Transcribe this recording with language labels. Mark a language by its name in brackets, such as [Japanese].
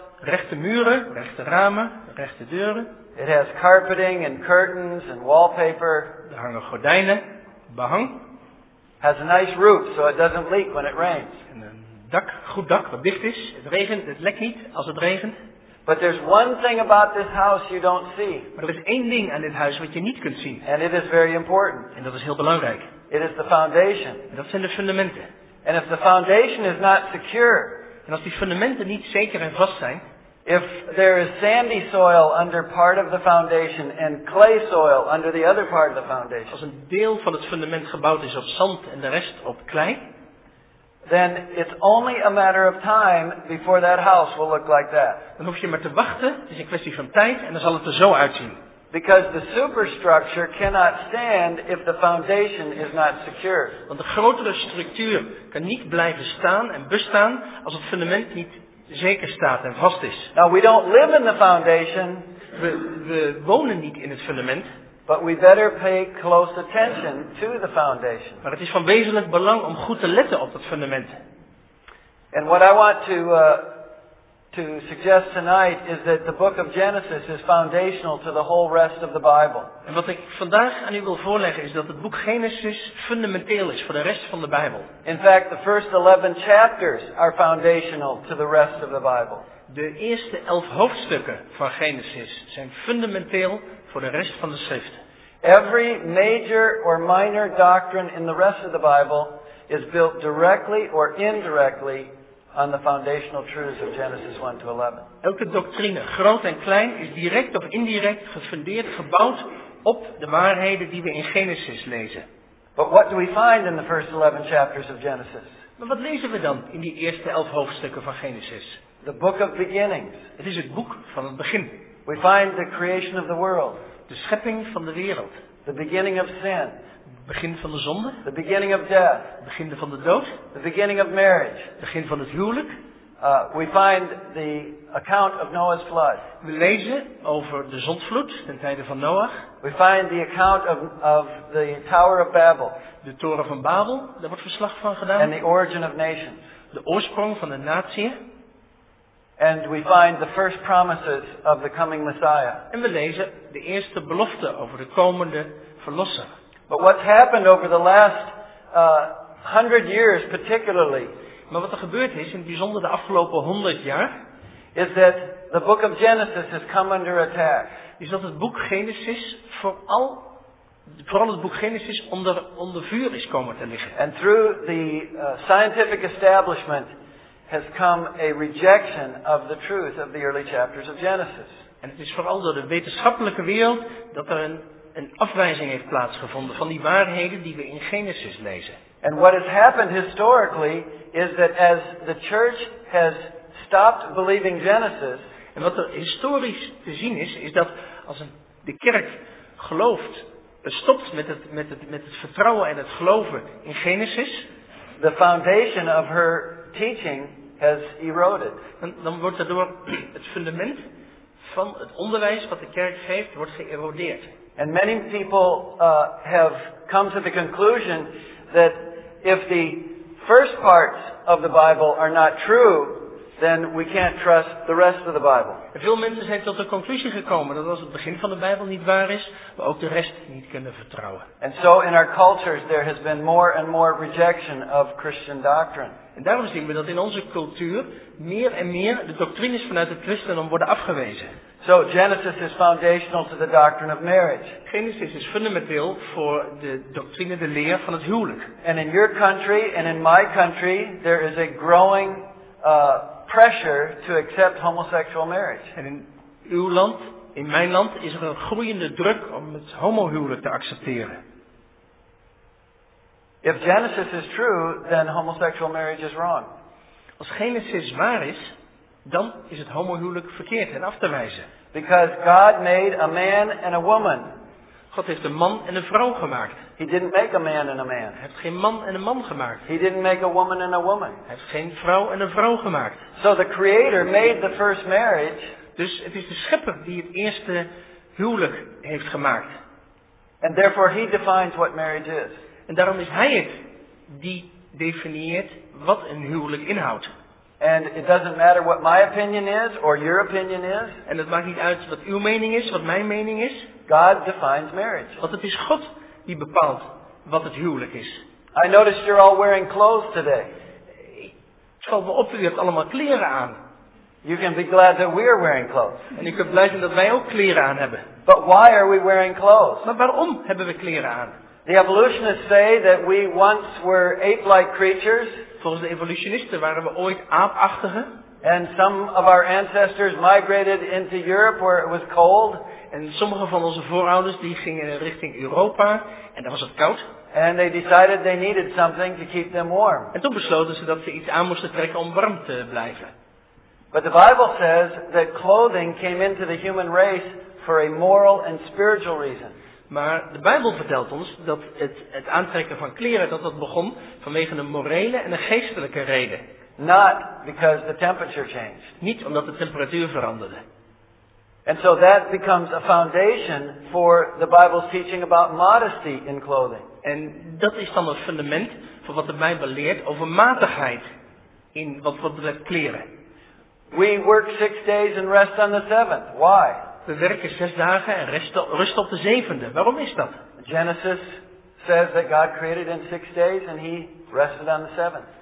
[Dutch] Rechte muren, rechte ramen, rechte deuren. [English] It has carpeting and curtains and wallpaper. [Dutch] Er hangen gordijnen, behang. [English] has a nice roof, so it doesn't leak when it rains. [Dutch] En een dak, goed dak, wat dicht is. Het regent, het lekt niet als het regent. [English] But there's one thing about this house you don't see. [Dutch] Maar er is één ding aan dit huis wat je niet kunt zien. [English] And it is very important. [Dutch] En dat is heel belangrijk. [English] It is the foundation. [Dutch] En dat zijn de fundamenten. [English] And if the foundation is not secure, [Dutch] en als die fundamenten niet zeker en vast zijn, [English] if there is sandy soil under part of the foundation and clay soil under the other part of the foundation, [Dutch] als een deel van het fundament gebouwd is op zand en de rest op klei, [English] then it's only a matter of time before that house will look like that. [Dutch] Dan hoef je maar te wachten. Het is een kwestie van tijd en dan zal het er zo uitzien. [English] Because the superstructure cannot stand if the foundation is not secure. [Dutch] Want de grotere structuur kan niet blijven staan en bestaan als het fundament niet zeker staat en vast is. [English] Now we don't live in the foundation. [Dutch] We wonen niet in het fundament. [English] But we better pay close attention to the foundation. [Dutch] Maar het is van wezenlijk belang om goed te letten op het fundament. [English] And what I want to suggest tonight is that the book of Genesis is foundational to the whole rest of the Bible. [Dutch] En wat ik vandaag aan u wil voorleggen is dat het boek Genesis fundamenteel is voor de rest van de Bijbel. [English] In fact, the first 11 chapters are foundational to the rest of the Bible. [Dutch] De eerste 11 hoofdstukken van Genesis zijn fundamenteel voor de rest van de schrift. [English] Every major or minor doctrine in the rest of the Bible is built directly or indirectly on the foundational truths of Genesis 1 to 11. [Dutch] Elke doctrine, groot en klein, is direct of indirect gefundeerd, gebouwd op de waarheden die we in Genesis lezen. [English] But what do we find in the first 11 chapters of Genesis? [Dutch] Maar wat lezen we dan in die eerste 11 hoofdstukken van Genesis? [English] The book of beginnings. [Dutch] Het is het boek van het begin. [English] We find the creation of the world. [Dutch] De schepping van de wereld. [English] The beginning of sin. [Dutch] Begin van de zonde. [English] The beginning of death. [Dutch] Begin van de dood. [English] The beginning of marriage. [Dutch] Begin van het huwelijk. [English] We find the account of Noah's flood. [Dutch] We lezen over de zondvloed ten tijde van Noach. [English] We find the account of the Tower of Babel. [Dutch] De toren van Babel, daar wordt verslag van gedaan. [English] And the origin of nations. [Dutch] De oorsprong van de natieën. [English] And we find the first promises of the coming Messiah. [Dutch] En we lezen de eerste belofte over de komende verlosser. [English] But what's happened over the last 100 years particularly, [Dutch] maar wat er gebeurd is in het bijzonder de afgelopen 100 jaar, [English] is that the book of Genesis has come under attack. [Dutch] Is dat het boek Genesis vooral het boek Genesis onder vuur is komen te liggen. [English] And through the scientific establishment has come a rejection of the truth of the early chapters of Genesis. [Dutch] En het is vooral door de wetenschappelijke wereld dat er een afwijzing heeft plaatsgevonden van die waarheden die we in Genesis lezen. [English] And what has happened historically is that as the church has stopped believing Genesis. [Dutch] En wat er historisch te zien is dat als de kerk gelooft, stopt met het vertrouwen en het geloven in Genesis, [English] the foundation of her teaching has eroded. [Dutch] Dan wordt daardoor het fundament van het onderwijs wat de kerk geeft, wordt geërodeerd. [English] And many people have come to the conclusion that if the first parts of the Bible are not true, then we can't trust the rest of the Bible. [Dutch] Veel mensen zijn tot de conclusie gekomen dat als het begin van de Bijbel niet waar is, we ook de rest niet kunnen vertrouwen. [English] And so in our cultures there has been more and more rejection of Christian doctrine. [Dutch] En daarom zien we dat in onze cultuur meer en meer de doctrines vanuit het christendom worden afgewezen. [English] So Genesis is foundational to the doctrine of marriage. [Dutch] Genesis is fundamenteel voor de doctrine, de leer van het huwelijk. [English] And in your country and in my country there is a growing pressure to accept homosexual marriage. [Dutch] En in uw land, in mijn land, is er een groeiende druk om het homohuwelijk te accepteren. [English] If Genesis is true, then homosexual marriage is wrong. [Dutch] Als Genesis waar is, dan is het homohuwelijk verkeerd en af te wijzen. [English] Because God made a man and a woman. [Dutch] God heeft een man en een vrouw gemaakt. [English] He didn't make a man and a man. [Dutch] Hij heeft geen man en een man gemaakt. [English] He didn't make a woman and a woman. [Dutch] Hij heeft geen vrouw en een vrouw gemaakt. [English] So the creator made the first marriage. [Dutch] Dus het is de schepper die het eerste huwelijk heeft gemaakt. [English] And therefore he defines what marriage is. [Dutch] En daarom is hij het die definieert wat een huwelijk inhoudt. [English] And it doesn't matter what my opinion is or your opinion is. [Dutch] En het maakt niet uit wat uw mening is, wat mijn mening is. [English] God defines marriage. [Dutch] Want het is God die bepaalt wat het huwelijk is. [English] I noticed you're all wearing clothes today. [Dutch] Ik val me op, u hebt allemaal kleren aan. [English] You can be glad that we are wearing clothes. [Dutch] En u kunt blij zijn dat wij ook kleren aan hebben. [English] But why are we wearing clothes? [Dutch] Maar waarom hebben we kleren aan? [English] The evolutionists say that we once were ape-like creatures. [Dutch] Volgens de evolutionisten waren we ooit aapachtige. [English] And some of our ancestors migrated into Europe where it was cold. [Dutch] En sommige van onze voorouders die gingen richting Europa en daar was het koud. [English] And they decided they needed something to keep them warm. [Dutch] En toen besloten ze dat ze iets aan moesten trekken om warm te blijven. [English] But the Bible says that clothing came into the human race for a moral and spiritual reason. [Dutch] Maar de Bijbel vertelt ons dat het aantrekken van kleren dat begon vanwege een morele en een geestelijke reden. [English] Not because the temperature changed. [Dutch] Niet omdat de temperatuur veranderde. [English] And so that becomes a foundation for the Bible's teaching about modesty in clothing. [Dutch] En dat is dan het fundament voor wat de Bijbel leert over matigheid in wat betreft kleren. [English] We work 6 days and rest on the seventh. Why? [Dutch] We werken 6 dagen en rust op de zevende. Waarom is dat? [English] Genesis says that God created in 6 days and he rested on the seventh.